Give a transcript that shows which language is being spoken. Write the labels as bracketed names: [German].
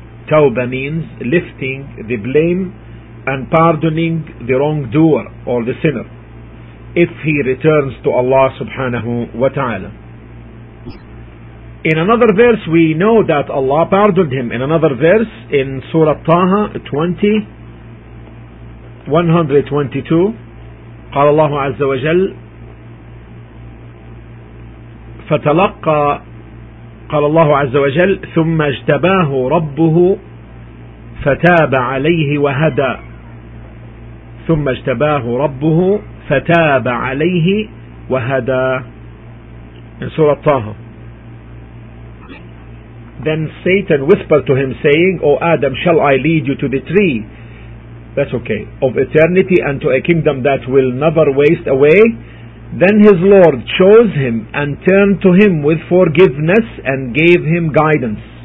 [English] Tawbah means lifting the blame and pardoning the wrongdoer or the sinner if he returns to Allah subhanahu wa ta'ala. In another verse we know that Allah pardoned him. In another verse in Surah Taha 122, [Arabic] قال الله عز وجل, فتلقى قال الله عز وجل ثم اجتباه ربه فتاب عليه وهدى ثم اجتباه ربه فتاب عليه وهدى. [English] In Surah Taha, then Satan whispered to him saying, O Adam, shall I lead you to the tree, that's okay, of eternity and to a kingdom that will never waste away? Then his Lord chose him and turned to him with forgiveness and gave him guidance.